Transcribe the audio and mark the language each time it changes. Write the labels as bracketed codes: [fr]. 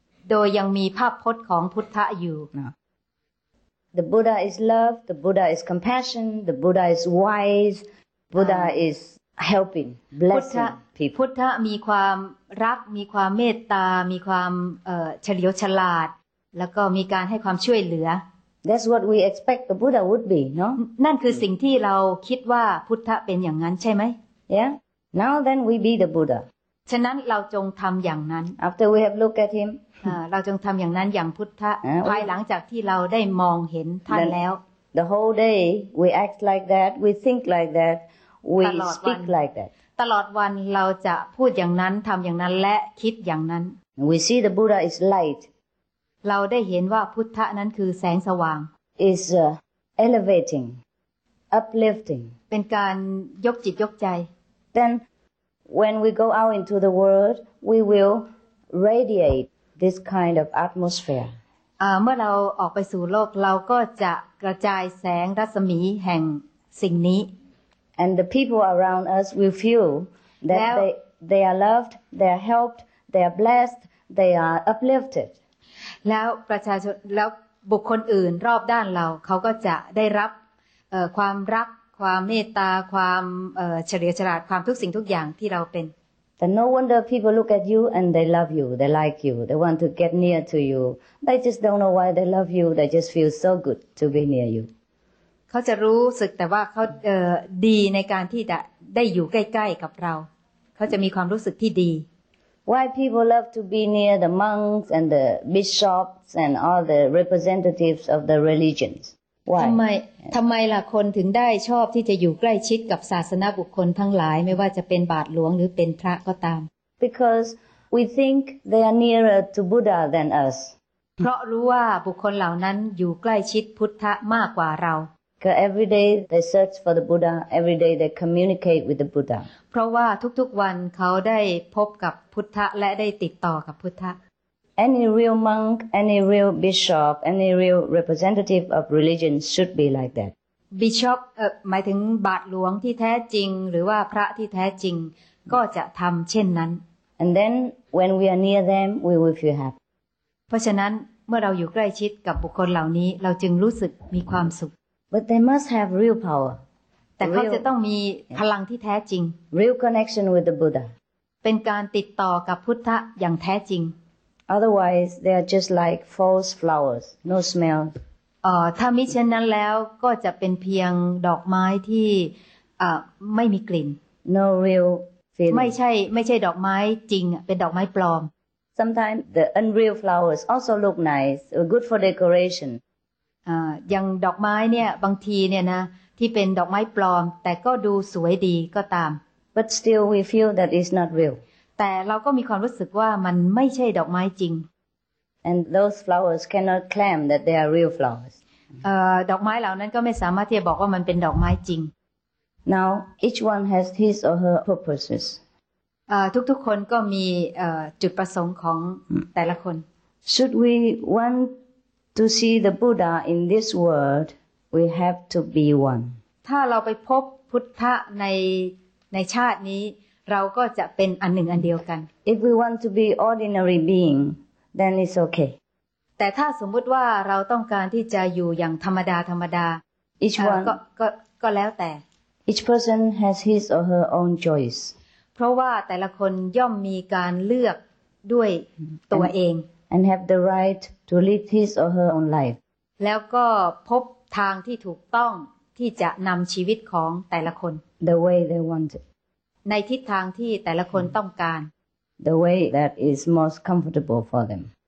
[th] โดยยังมีภาพพจน์ของพุทธะอยู่ [en] The Buddha is love, the Buddha is compassion, the Buddha is wise, Buddha is helping, blessing people. [th] พุทธะมีความรักมีความเมตตามีความเฉลียวฉลาดแล้วก็มีการให้ความช่วยเหลือ [en] That's what we expect the Buddha would be, no? [th] นั่นคือสิ่งที่เราคิดว่าพุทธะเป็นอย่างนั้นใช่ไหม [en] Yeah. Now then we be the Buddha. [th] ฉะนั้นเราจงทำอย่างนั้น [en] After we have looked at him [th] เราจงทำอย่างนั้นอย่างพุทธะภายหลังจากที่เราได้มองเห็นท่านแล้ว [en] The whole day we act like that we think like that we speak like that [th] ตลอดวันเราจะพูดอย่างนั้นทำอย่างนั้นและคิดอย่างนั้น [en] We see the Buddha is light [th] เราได้เห็นว่าพุทธะนั้นคือแสงสว่าง [en] is elevating uplifting [th] เป็นการยกจิตยกใจ [en] thenWhen we go out into the world, we will radiate this kind of atmosphere. [th] เมื่อเราออกไปสู่โลกเราก็จะกระจายแสงรัศมีแห่งสิ่งนี้ [en] and the people around us will feel that they are loved, they are helped, they are blessed, they are uplifted. [th] แล้วประชาชนแล้วบุคคลอื่นรอบด้านเราเขาก็จะได้รับความรักความเมตตาความเฉลียวฉลาดความทุกสิ่งทุกอย่างที่เราเป็น [en] But no wonder people look at you and they love you, they like you, they want to get near to you. They just don't know why they love you. They just feel so good to be near you. [th] เขาจะรู้สึกแต่ว่าเขาดีในการที่จะได้อยู่ใกล้ๆกับเราเขาจะมีความรู้สึกที่ดี [en] Why people love to be near the monks and the bishops and all the representatives of the religions? Why? [th] ทำไมล่ะคนถึงได้ชอบที่จะอยู่ใกล้ชิดกับศาสนบุคคลทั้งหลายไม่ว่าจะเป็นบาทหลวงหรือเป็นพระก็ตาม [en] Because we think they are nearer to Buddha than us. [th] เพราะรู้ว่าบุคคลเหล่านั้นอยู่ใกล้ชิดพุทธะมากกว่าเรา [en] Because every day they search for the Buddha, every day they communicate with the Buddha. [th] เพราะว่าทุกๆวันเขาได้พบกับพุทธะและได้ติดต่อกับพุทธะ [en] Any real monk, any real bishop, any real representative of religion should be like that. [th] Bishop หมายถึงบาทหลวงที่แท้จริงหรือว่าพระที่แท้จริงก็จะทำเช่นนั้น [en] And then when we are near them, we will feel happy. [th] เพราะฉะนั้นเมื่อเราอยู่ใกล้ชิดกับบุคคลเหล่านี้เราจึงรู้สึกมีความสุข [en] But they must have real power. [th] แต่เขาจะต้องมีพลังที่แท้จริง [en] Real connection with the Buddha. [th] เป็นการติดต่อกับพุทธะอย่างแท้จริง [en] Otherwise, they are just like false flowers, no smell. [th] ถ้ามิฉะนั้นแล้วก็จะเป็นเพียงดอกไม้ที่ไม่มีกลิ่น [en] No real feeling. [th] ไม่ใช่ดอกไม้จริงเป็นดอกไม้ปลอม [en] Sometimes the unreal flowers also look nice, good for decoration. [th] อย่างดอกไม้เนี่ยบางทีเนี่ยนะที่เป็นดอกไม้ปลอมแต่ก็ดูสวยดีก็ตาม [en] But still we feel that it's not real [th] แต่เราก็มีความรู้สึกว่ามันไม่ใช่ดอกไม้จริง [en] And those flowers cannot claim that they are real flowers [th] ดอกไม้เหล่านั้นก็ไม่สามารถที่จะบอกว่ามันเป็นดอกไม้จริง [en] Now each one has his or her purposes [th] ทุกๆคนก็มีจุดประสงค์ของแต่ละคน [en] Should we wantTo see the Buddha in this world, we have to be one. [th] ถ้าเราไปพบพุทธะในชาตินี้เราก็จะเป็นอันหนึ่งอันเดียวกัน [en] If we want to be ordinary being, then it's okay. [th] แต่ถ้าสมมุติว่าเราต้องการที่จะอยู่อย่างธรรมดา [en] Each one [th] ก็แล้วแต่ [en] Each person has his or her own choice. [th] เพราะว่าแต่ละคนย่อมมีการเลือกด้วยตัวเอง [en] And have the right to live his or her own life. [th] แล้วก็พบทางที่ถูกต้องที่จะนำชีวิตของแต่ละคน [en] The way they want it. [th] ในทิศทางที่แต่ละคนต้องการ [en] The way that is most comfortable for them.